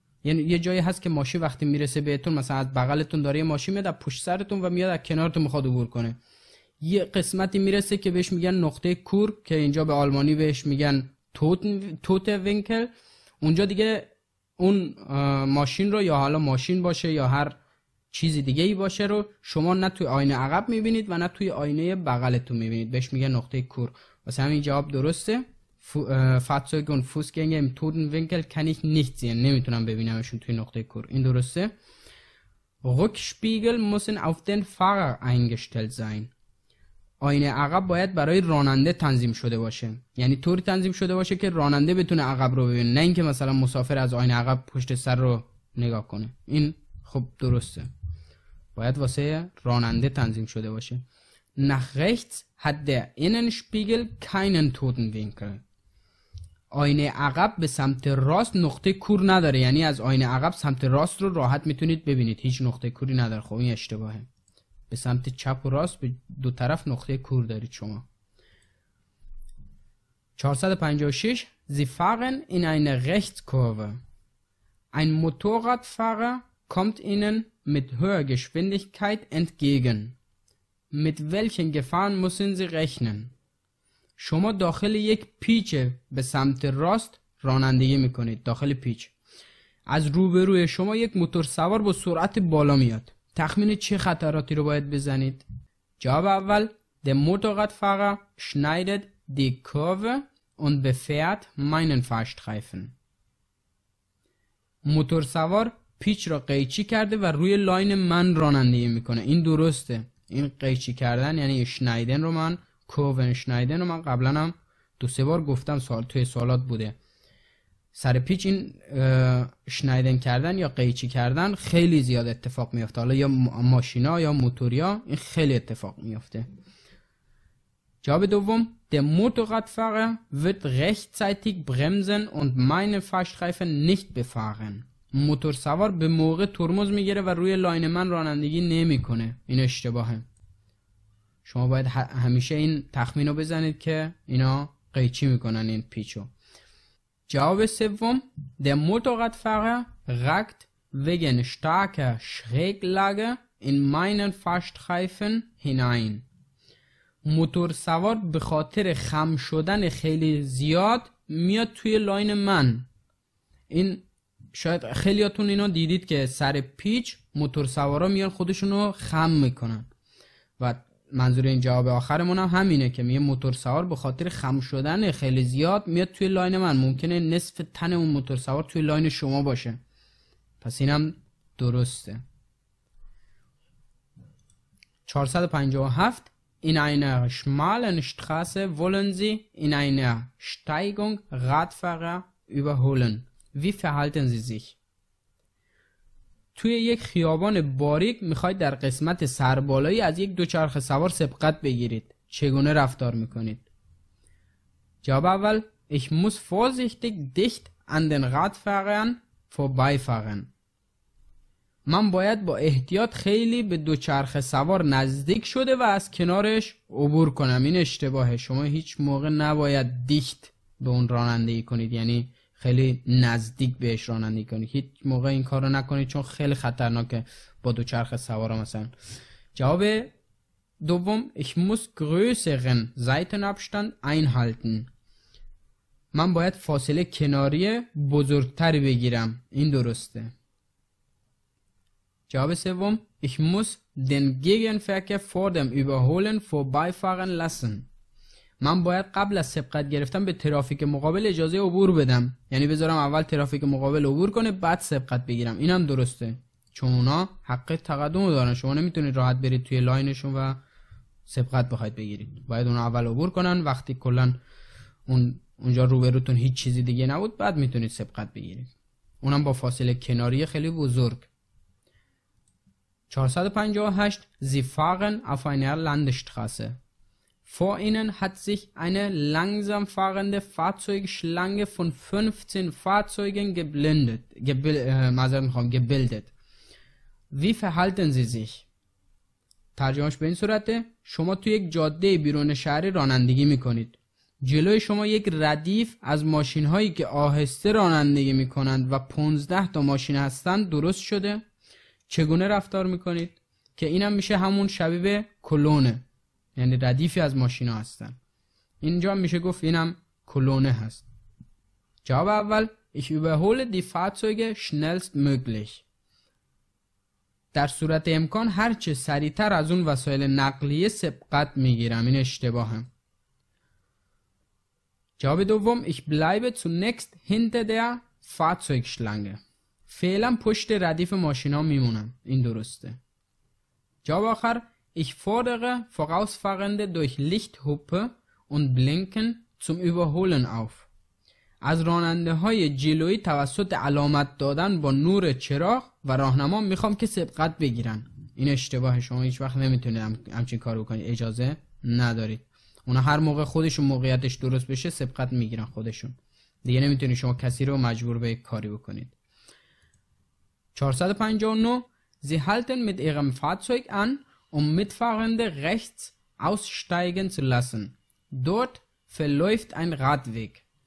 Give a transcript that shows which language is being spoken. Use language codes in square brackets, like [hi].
[fa] یعنی یه جایی هست که ماشین وقتی میرسه بهتون، مثلا از بغلتون داره یه ماشین میاد از پشت سرتون و میاد از کنارتون میخواد عبور کنه، یه قسمتی میرسه که بهش میگن نقطه کور که اینجا به آلمانی بهش میگن توت وینکل. اونجا دیگه اون ماشین رو، یا حالا ماشین باشه یا هر چیزی دیگه ای باشه، رو شما نه توی آینه عقب میبینید و نه توی آینه بغلتون میبینید، بهش میگن نقطه کور. واسه همین جواب درسته. [de] Fahrzeuge und Fußgänger im toten Winkel kann ich nicht sehen. [fa] نمیتونم ببینمشون توی نقطه کور. این درسته. [de] Rückspiegel müssen auf den Fahrer eingestellt sein. [fa] آینه عقب باید برای راننده تنظیم شده باشه. یعنی طوری تنظیم شده باشه که راننده بتونه عقب رو ببینه، نه اینکه مثلا مسافر از آینه عقب پشت سر رو نگاه کنه. این خب درسته. باید واسه راننده تنظیم شده باشه. [de] Nach rechts hat der Innenspiegel keinen toten Winkel. [fa] آینه عقب به سمت راست نقطه کور نداره، یعنی از آینه عقب سمت راست رو راحت میتونید ببینید، هیچ نقطه کوری نداره. خب این اشتباهه. به سمت چپ و راست به دو طرف نقطه کور دارید شما. [de] 456 Sie fahren in eine Rechtskurve. Ein Motorradfahrer kommt Ihnen mit höherer Geschwindigkeit entgegen. Mit welchen Gefahren müssen Sie rechnen? [fa] شما داخل یک پیچ به سمت راست رانندگی میکنید. داخل پیچ از روبروی شما یک موتور سوار با سرعت بالا میاد، تخمین چه خطراتی رو باید بزنید؟ جواب اول [de] Der Motorradfahrer schneidet die Kurve und befährt meinen Fahrstreifen. [fa] موتور سوار پیچ را قیچی کرده و روی لاین من رانندگی میکنه. این درسته. این قیچی کردن یعنی شنایدن رو من، کوون شنایدن رو من قبلا هم دو سه بار گفتم، سوال توی سوالات بوده. سر پیچ این شنایدن کردن یا قیچی کردن خیلی زیاد اتفاق میفته، حالا یا ماشینا یا موتوریا این خیلی اتفاق میفته. جواب دوم [de] Der Motorradfahrer wird rechtzeitig bremsen und meine Fahrstreifen nicht befahren. [fa] موتور سوار به موقع ترمز میگیره و روی لاین من رانندگی نمیکنه. این اشتباهه. شما باید همیشه این تخمین رو بزنید که اینا قیچی میکنن این پیچو. جواب سوم [de] Der Motorradfahrer ragt wegen starker Schräglage in meinen Fahrstreifen hinein. [fa] موتور سوار به خاطر خم شدن خیلی زیاد میاد توی لاین من. این شاید خیلیاتون اینو دیدید که سر پیچ موتور سوارا میان خودشونو خم میکنن و منظور این جواب آخرمون هم همینه که میگه موتور سوار به خاطر خم شدن خیلی زیاد میاد توی لاین من، ممکنه نصف تن اون موتور سوار توی لاین شما باشه. پس اینم درسته. [de] 457 In einer schmalen Straße wollen Sie in einer Steigung Radfahrer überholen. Wie verhalten Sie sich? [fa] توی یک خیابان باریک میخواید در قسمت سربالایی از یک دوچرخه سوار سبقت بگیرید. چگونه رفتار میکنید؟ جواب اول [de] Ich muss vorsichtig dicht an den Radfahrern vorbeifahren. [fa] من باید با احتیاط خیلی به دوچرخه سوار نزدیک شده و از کنارش عبور کنم. این اشتباهه. شما هیچ موقع نباید دیخت به اون رانندگی کنید، یعنی خیلی نزدیک بهش رانندگی کنید. هیچ موقع این کارو نکنید چون خیلی خطرناکه با دوچرخه سوار مثلا. جواب دوم: [de] Ich muss größeren Seitenabstand einhalten. [fa] من باید فاصله کناری بزرگتری بگیرم. این درسته. جواب سوم: [de] Ich muss den Gegenverkehr vor dem Überholen vorbeifahren lassen. [fa] من باید قبل از سبقت گرفتن به ترافیک مقابل اجازه عبور بدم، یعنی بذارم اول ترافیک مقابل عبور کنه بعد سبقت بگیرم. اینم درسته چون اونا حق تقدم دارن، شما نمیتونید راحت برید توی لاینشون و سبقت بخواید بگیرید، باید اونا اول عبور کنن. وقتی کلا اونجا روبروتون هیچ چیزی دیگه نبود بعد میتونید سبقت بگیرید، اونم با فاصله کناری خیلی بزرگ. [de] 458 Sie fahren auf einer Landstraße. Vor ihnen hat sich eine langsam fahrende Fahrzeugschlange von 15 Fahrzeugen gebildet. Wie verhalten sie sich? [fa] ترجمهش به این صورته: شما تو یک جاده بیرون شهری رانندگی میکنید. جلوی شما یک ردیف از ماشین هایی که آهسته رانندگی میکنند و 15 تا ماشین هستند درست شده. چگونه رفتار میکنید؟ که اینم میشه همون شبیه کلونه، یعنی ردیفی از ماشینا هستن. اینجا میشه گفت اینم کلونه هست. جواب اول: [de] Ich überhole die Fahrzeuge schnellst möglich. [fa] در صورت امکان هرچه سریعتر از اون وسایل نقلیه سبقت میگیرم. این اشتباهه. جواب دوم: [de] Ich bleibe zunächst hinter der Fahrzeugschlange. [fa] فعلا پشت ردیف ماشینا میمونم. این درسته. جواب آخر: [de] Ich fordere Vorausfahrende durch Lichthupe und Blinken zum Überholen auf. [fa] از راننده های جلویی توسط علامت دادن با نور چراغ و راهنما میخوام که سبقت بگیرن. این اشتباه. شما هیچ وقت نمیتونید همچین کار بکنید، اجازه ندارید. اونا هر موقع خودشون موقعیتش درست بشه سبقت میگیرن خودشون، دیگه نمیتونید شما کسی رو مجبور به کاری بکنید. [de] 459 Sie halten mit ihrem Fahrzeug an, um Mitfahrende rechts aussteigen zu lassen. Dort verläuft ein Radweg.